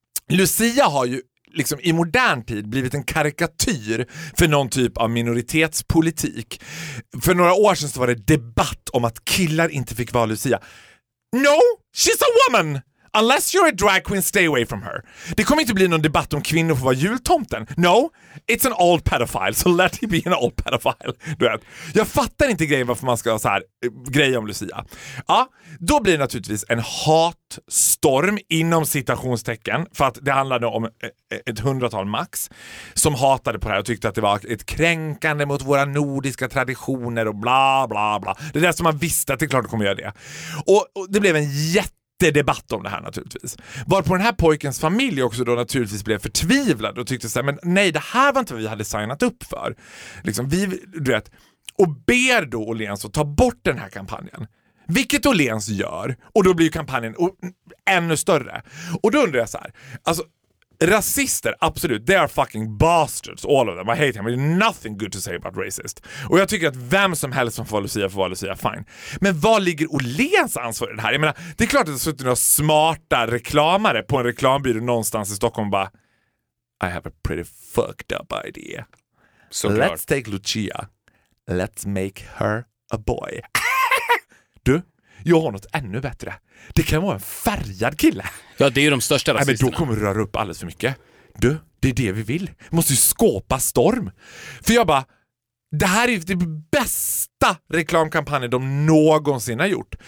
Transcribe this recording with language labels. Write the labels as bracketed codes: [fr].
[sv] Lucia har ju liksom i modern tid blivit en karikatyr för någon typ av minoritetspolitik. För några år sedan så var det debatt om att killar inte fick vara Lucia. [en] No, she's a woman! Unless you're a drag queen, stay away from her. [sv] Det kommer inte bli någon debatt om kvinnor får vara jultomten. [en] No, it's an old pedophile, so let him be an old pedophile. [sv] Du vet. Jag fattar inte grejen varför man ska ha så här grej om Lucia. Ja, då blir det naturligtvis en hatstorm inom citationstecken. För att det handlade om ett hundratal max som hatade på det här och tyckte att det var ett kränkande mot våra nordiska traditioner och bla bla bla. Det är det som man visste att det är klart att kommer göra det. Och det blev en jätte det är debatt om det här naturligtvis. Varpå den här pojkens familj också då naturligtvis blev förtvivlad och tyckte så här, men nej, det här var inte vad vi hade signat upp för. Liksom, vi, du vet, och ber då Åhléns att ta bort den här kampanjen. Vilket Åhléns gör, och då blir ju kampanjen ännu större. Och då undrar jag så här, alltså, rasister, absolut, [en] they are fucking bastards, all of them. I hate them, there's nothing good to say about racist. [sv] Och jag tycker att vem som helst som får Lucia får vara Lucia, fine. Men var ligger Åhléns ansvar i det här? Jag menar, det är klart att det har suttit några smarta reklamare på en reklambyrå någonstans i Stockholm och bara, [en] I have a pretty fucked up idea. [sv] Så [en] let's [sv] klart. [en] Take Lucia, let's make her a boy. [sv] Du, jag har något ännu bättre. Det kan vara en färgad kille. Ja, det är ju de största rasisterna. Nej, men då kommer du röra upp alldeles för mycket. Du, det är det vi vill. Vi måste ju skapa storm. För jag bara, det här är ju det bästa reklamkampanjen de någonsin har gjort.